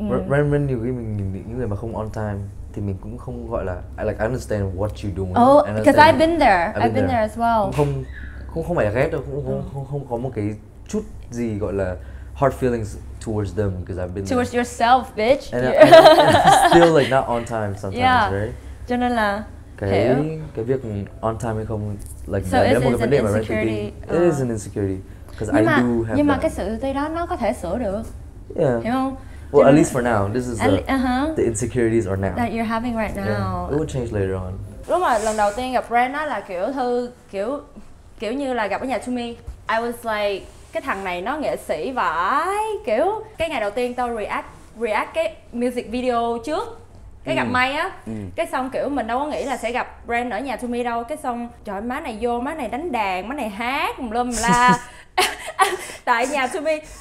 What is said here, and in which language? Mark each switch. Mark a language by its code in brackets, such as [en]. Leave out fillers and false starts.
[vi] Random nhiều khi mình nhìn những người mà không on time thì mình cũng không gọi là [en] I understand what you doing. Because I've been there. I've been there as well. [vi] Không phải là ghét đâu, không có một cái chút gì gọi là [en] hard feelings towards them because I've been towards there. Yourself, bitch. And I still like not on time sometimes, yeah. Right? [vi] Cho nên là cái việc on time hay không like so là một cái vấn đề mà mình phải đi. [en] It is an insecurity because I do have that. [vi] Nhưng mà cái sự tự ti đó nó có thể sửa được. [en] Yeah. [vi] Hiểu không? [en] Well, at least for now, this is the insecurities are now that you're having right now. Yeah. It will change later on. [vi] Lúc mà lần đầu tiên gặp Ren á là kiểu Thư kiểu như là gặp ở nhà Tumi. [en] I was like [vi] cái thằng này nó nghệ sĩ vãi, kiểu cái ngày đầu tiên tao react cái music video trước cái gặp May á. Cái xong kiểu mình đâu có nghĩ là sẽ gặp Ren ở nhà Tumi đâu, cái xong trời má này vô, má này đánh đàn, má này hát mùm lum la tại nhà Tumi.